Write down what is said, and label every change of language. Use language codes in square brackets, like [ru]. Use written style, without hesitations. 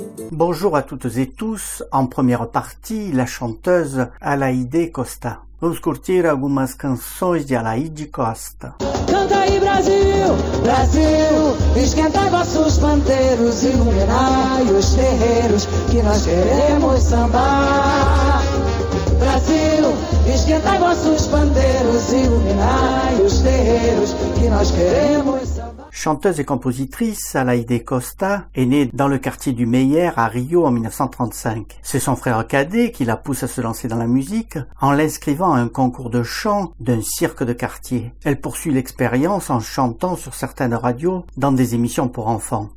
[fr] Bonjour à toutes et tous. En première partie, la chanteuse Alaïde Costa. [pt] Vamos curtir algumas canções de Alaïde Costa. Canta aí Brasil, Brasil, esquenta vossos panteiros, iluminai os terreiros que nós queremos sambar. Brasil, esquenta vossos panteiros, iluminai os terreiros que nós queremos. [fr] Chanteuse et compositrice, Alaïde Costa est née dans le quartier du Meyer à Rio en 1935. C'est son frère cadet qui la pousse à se lancer dans la musique en l'inscrivant à un concours de chant d'un cirque de quartier. Elle poursuit l'expérience en chantant sur certaines radios dans des émissions pour enfants.